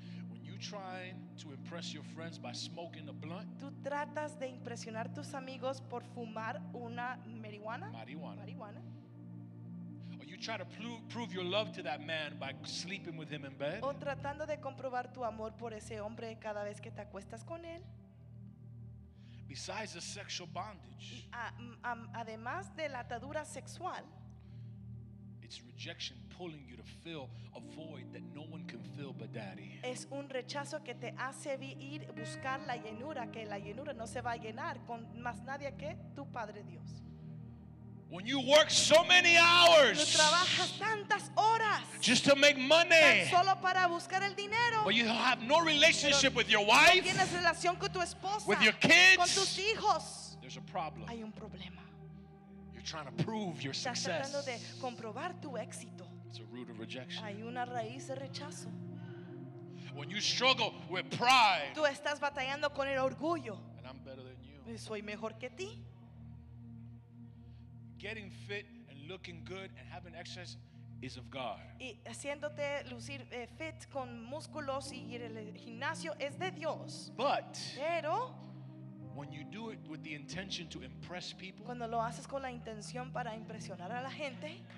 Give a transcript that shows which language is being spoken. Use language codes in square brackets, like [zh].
[en] When you try to impress your friends by smoking a blunt. [es] Tú tratas de impresionar tus amigos por fumar una marihuana. Marihuana. Marihuana. [en] Or you try to prove your love to that man by sleeping with him in bed. [es] O tratando de comprobar tu amor por ese hombre cada vez que te acuestas con él. [en] Besides the sexual bondage. [es] Además de la atadura sexual. [en] It's rejection pulling you to fill a void that no one can fill but Daddy. [es] Es un rechazo que te hace ir buscar la llenura, que la llenura no se va a llenar con más nadie que tu Padre Dios. [en] When you work so many hours, [es] tú trabajas tantas horas, [en] just to make money, [es] tan solo para buscar el dinero, [en] but you have no relationship with your wife, [es] no tienes relación con tu esposa, [en] with your kids, [es] con tus hijos, [en] there's a problem. [es] Hay un problema. [en] Trying to prove your success. [es] Estás tratando de comprobar tu éxito. [en] It's a root of rejection. [es] Hay una raíz de rechazo. [en] When you struggle with pride. [es] Tú estás batallando con el orgullo. [en] And I'm better than you. [es] Y soy mejor que ti. [en] Getting fit and looking good and having excess is of God. [es] Y haciéndote lucir fit con músculos y ir al gimnasio es de Dios. [en] But. [es] Pero. [en] When you do it with the intention to impress people, [es] cuando lo haces con la intención para impresionar a la gente,